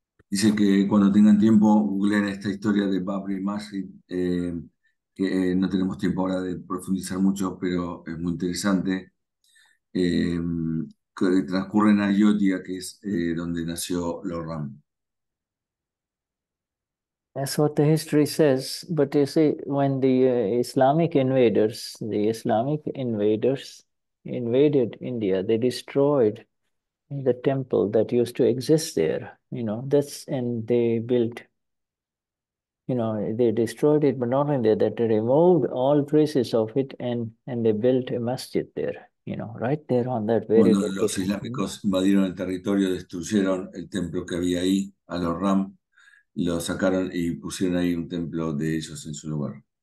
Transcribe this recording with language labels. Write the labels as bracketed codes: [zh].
[es] Dice que cuando tengan tiempo, googleen esta historia de Babri Masjid, que no tenemos tiempo ahora de profundizar mucho, pero es muy interesante. Que transcurre en Ayodhya, que es donde nació Lord Ram. [en] That's what the history says. But you see, when the Islamic invaders invaded India, they destroyed the temple that used to exist there, you know, that's, and they built, you know, they destroyed it, but not only that, they removed all traces of it and they built a masjid there, you know, right there on that very [es] Cuando los islámicos invadieron el territorio, destruyeron el templo que había ahí, a los Ram, lo sacaron y pusieron ahí un templo de ellos en su lugar.